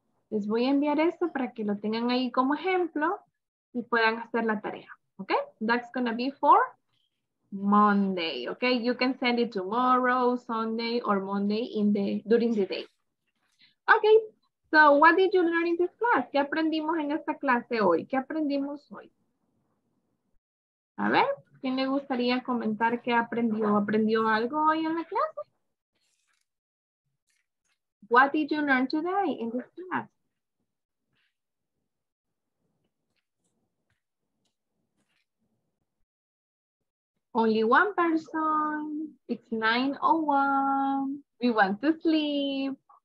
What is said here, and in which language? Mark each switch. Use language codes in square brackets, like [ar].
[es] Les voy a enviar esto para que lo tengan ahí como ejemplo y puedan hacer la tarea. [en] Okay, that's gonna be for Monday. Okay, you can send it tomorrow, Sunday, or Monday during the day. Okay, so what did you learn in this class? [es] ¿Qué aprendimos en esta clase hoy? ¿Qué aprendimos hoy? A ver, ¿quién le gustaría comentar qué aprendió? ¿Aprendió algo hoy en la clase? [en] What did you learn today in this class? Only one person, it's 9:01, we want to sleep.